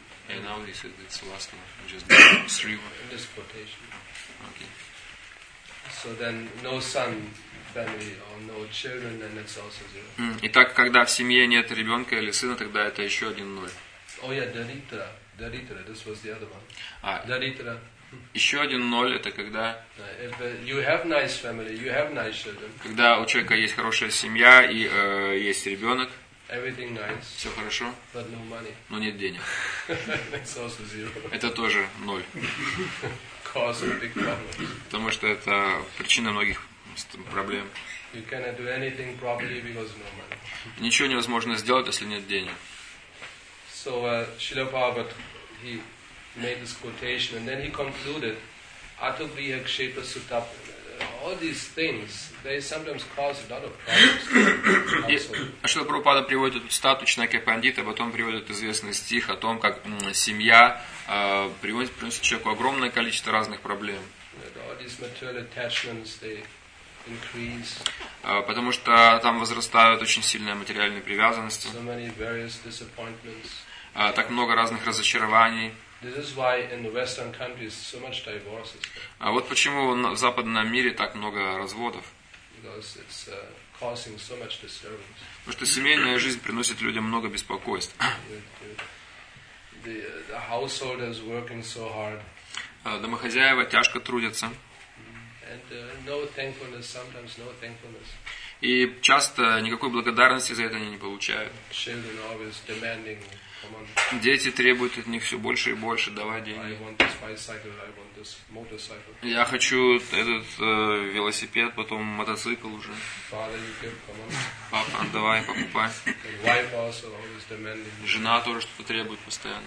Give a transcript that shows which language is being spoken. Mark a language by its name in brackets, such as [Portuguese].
[English] And now he said it's the last one. Just three one. In this quotation. Okay. So then no son, family, or no children, and it's also zero. [Russian] Итак, когда в семье нет ребенка или сына, тогда это еще один ноль. [English] Oh yeah, Daritra. Daritra, this was the other one. Daritra. [Russian] Еще один ноль, это когда [English] you have nice family, you have nice children. [Russian] Когда у человека есть хорошая семья и есть ребенок. [English] Everything nice. [Russian] Все хорошо. [English] But no money. [Russian] Но нет денег. [English] It's also zero. [Russian] Это тоже ноль. [English] Cause of big problems. [Russian] Потому что это причина многих проблем. [English] You cannot do anything properly because no money. [Russian] Ничего невозможно сделать, если нет денег. [English] So Srila Prabhupada, he made this quotation and then he concluded [Sanskrit] Atubriya Kshepa Sutap. [English] All these things, they sometimes cause a lot of problems. [Russian] Шрила Прабхупада приводит эту цитату Чанакья Пандита, а потом приводит известный стих о том, как семья приносит человеку огромное количество разных проблем. [English] All these material attachments, they increase. [Russian] Потому что там возрастают очень сильные материальные привязанности. [English] So many various disappointments. [Russian] Так много разных разочарований. [English] This is why in the Western countries so much divorces. [Russian] А вот почему в западном мире так много разводов? [English] Because it's causing so much disturbance. [Russian] Потому что семейная жизнь приносит людям много беспокойств. [English] The household is working so hard. [Russian] Домохозяева тяжко трудятся. [English] And no thankfulness, sometimes no thankfulness. [Russian] И часто никакой благодарности за это они не получают. [English] Children always demanding. [Russian] Дети требуют от них все больше и больше, давай деньги. [English] I want this bicycle, I want this motorcycle. [Russian] Я хочу этот велосипед, потом мотоцикл уже. [English] Father, you give, come on. [Russian] Папа, давай, покупай. [English] And wife also always demanding. [Russian] Жена тоже что-то требует постоянно.